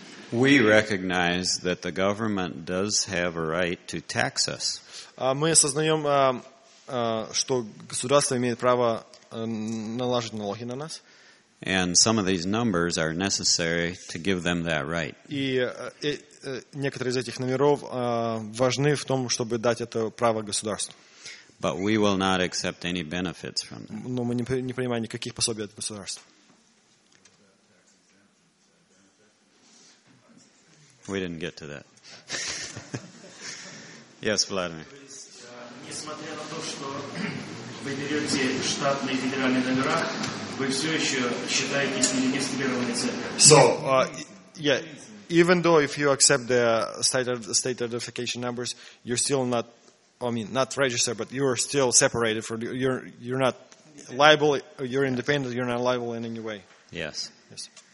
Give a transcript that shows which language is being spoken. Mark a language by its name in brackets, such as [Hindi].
[English] We recognize that the government does have a right to tax us. [Russian] Мы осознаем, что государство имеет право наложить налоги на нас. [English] And some of these numbers are necessary to give them that right. [Russian] И некоторые из этих номеров важны в том, чтобы дать это право государству. [English] But we will not accept any benefits from them. [Russian] Но мы не принимаем никаких пособий от государства. [English] We didn't get to that. Yes, Vladimir. [Russian] Несмотря на то, что вы берете штатные федеральные номера, вы все еще считаетесь нерегистрированной церковью. [English] So, yeah. Even though if you accept the state identification numbers, you're still not registered, but you're still separated. You're not liable. You're independent. You're not liable in any way. Yes. Yes.